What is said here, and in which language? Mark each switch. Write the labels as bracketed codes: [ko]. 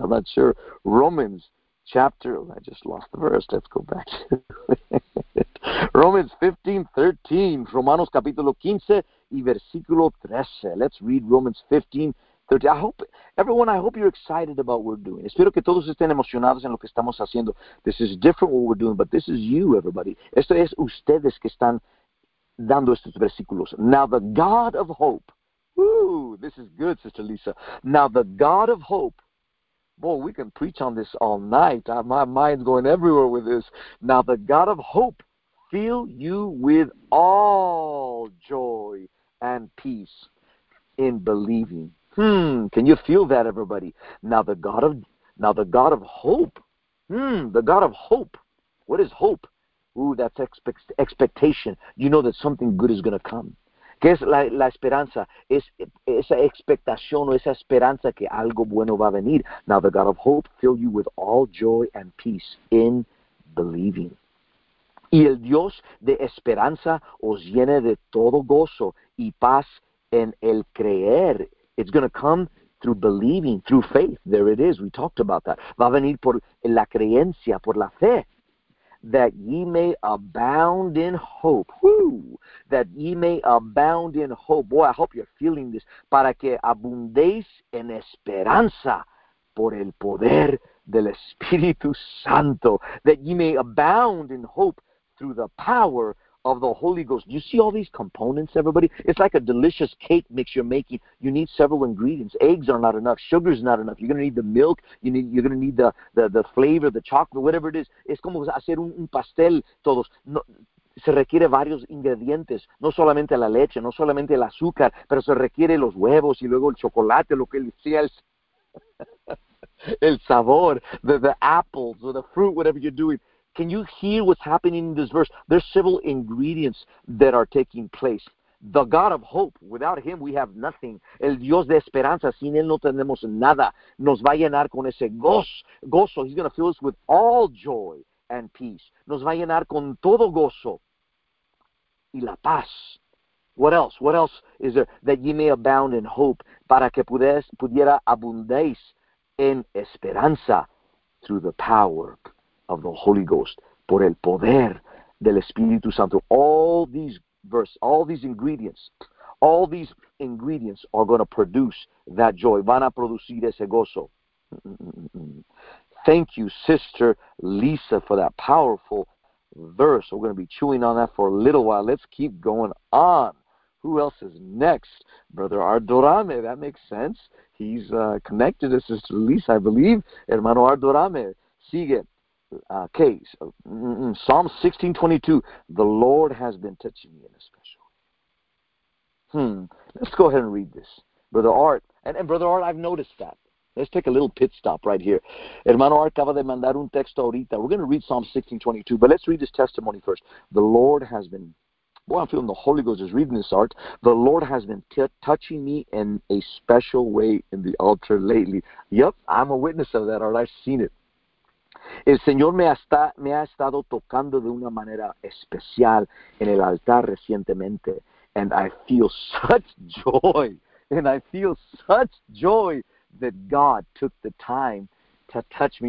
[en] I'm not sure. Romans chapter, I just lost the verse. Let's go back to it. Romans 15, 13. Romanos capítulo 15 y versículo 13. Let's read Romans 15. I hope you're excited about what we're doing. [es] Espero que todos estén emocionados en lo que estamos haciendo. [en] This is different what we're doing, but this is you, everybody. [es] Esto es ustedes que están dando estos versículos. [en] Now the God of hope. Woo, this is good, Sister Lisa. Now the God of hope. Boy, we can preach on this all night. My mind's going everywhere with this. Now the God of hope fill you with all joy and peace in believing. Can you feel that, everybody? Now the God of hope. The God of hope. What is hope? Ooh, that's expectation. You know that something good is going to come. [es] ¿Qué es la esperanza? Es esa expectación o esa esperanza que algo bueno va a venir. [en] Now the God of hope fill you with all joy and peace in believing. [es] Y el Dios de esperanza os llene de todo gozo y paz en el creer. [en] It's going to come through believing, through faith. There it is. We talked about that. [es] Va a venir por la creencia, por la fe. [en] That ye may abound in hope. Woo! That ye may abound in hope. Boy, I hope you're feeling this. [es] Para que abundéis en esperanza por el poder del Espíritu Santo. [en] That ye may abound in hope through the power of the Holy Ghost. Do you see all these components, everybody? It's like a delicious cake mix you're making. You need several ingredients. Eggs are not enough. Sugar is not enough. You're going to need the milk. You're going to need the flavor, the chocolate, whatever it is. [es] Es como hacer un pastel todos. No, se requiere varios ingredientes. No solamente la leche, no solamente el azúcar, pero se requiere los huevos y luego el chocolate, lo que sea el sabor, [en] the apples or the fruit, whatever you're doing. Can you hear what's happening in this verse? There's several ingredients that are taking place. The God of hope, without him we have nothing. [es] El Dios de esperanza, sin él no tenemos nada. Nos va a llenar con ese gozo. [en] He's going to fill us with all joy and peace. [es] Nos va a llenar con todo gozo y la paz. [en] What else? What else is there? That ye may abound in hope. [es] Para que pudiera abundéis en esperanza [en] through the power of the Holy Ghost, [es] por el poder del Espíritu Santo. [en] All these verses, all these ingredients are going to produce that joy. [es] Van a producir ese gozo. [en] Thank you, Sister Lisa, for that powerful verse. We're going to be chewing on that for a little while. Let's keep going on. Who else is next? Brother Ardorame, that makes sense. He's connected to Sister Lisa, I believe. [es] Hermano Ardorame, sigue. [en] Okay, Psalm 16:22. The Lord has been touching me in a special way. Let's go ahead and read this. Brother Art, and Brother Art, I've noticed that. Let's take a little pit stop right here. [es] Hermano Art acaba de mandar un texto ahorita. [en] We're going to read Psalm 16:22, but let's read this testimony first. The Lord has been, boy, I'm feeling the Holy Ghost is reading this, Art. The Lord has been touching me in a special way in the altar lately. Yep, I'm a witness of that, Art. I've seen it. [es] El Señor me ha estado tocando de una manera especial en el altar recientemente. [en] And I feel such joy. And I feel such joy that God took the time to touch me.